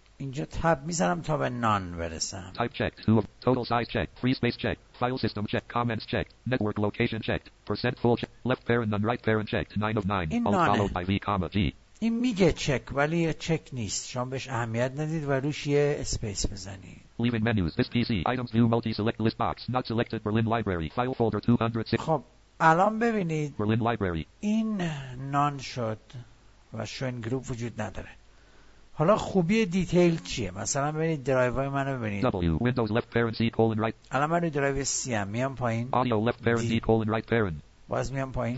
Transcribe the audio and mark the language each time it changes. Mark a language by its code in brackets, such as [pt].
[fa] اینجا تب میزنم تا به نان برسم. [en] Type check, two of, total size check, free space check, file system check, comments check, network location check, percent full check, left parent and right parent check, 9 of 9, all followed by V, G. [fa] این میگه چک ولی یه چک نیست. شما بهش اهمیت ندید و روش یه اسپیس بزنید. [en] leaving menus, this PC, items view multi-select list box, not selected Berlin library, file folder 206. [fa] خب الان ببینید [en] Berlin library. [fa] این نان شد و شوین گروپ وجود نداره. حالا خوبی دیتیل چیه؟ مثلا ببینید درایو های منو ببینید. [en] W windows left parent C colon right. [fa] الان من درایو سی ام میام پایین. [en] Audio left parent D. C colon right parent. [fa] باز میام پایین.